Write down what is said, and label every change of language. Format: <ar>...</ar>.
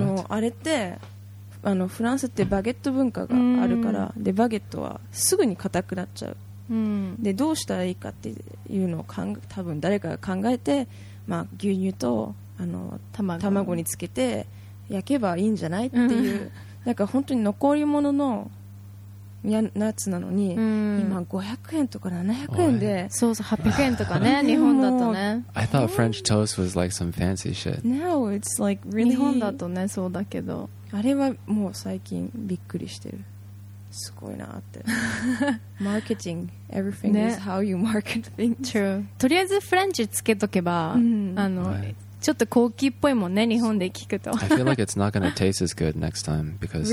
<ja>あれってフランスってバゲット文化があるから、でバゲットはすぐに硬くなっちゃう、でどうしたらいいかっていうのを多分誰かが考えて、まあ、牛乳と卵につけて焼けばいいんじゃないっていう、だから本当に残り物のやつなのに、今500円とか700円で、そうそう、800円とかね、日本だとね。</ja> <en>I thought French toast was like some fancy shit. No, it's like really</en> <ja>日本だとね、そうだけど、あれはもう最近びっくりしてる。すごいなって。</ja> <en>Marketing, everything、ね、is how you market things. True.</en> <ja>とりあえずフレンチつけとけば、ちょっと高級っぽいもんね、日本で聞くと。</ja> <en>I feel like it's not gonna taste as good next time because,</en>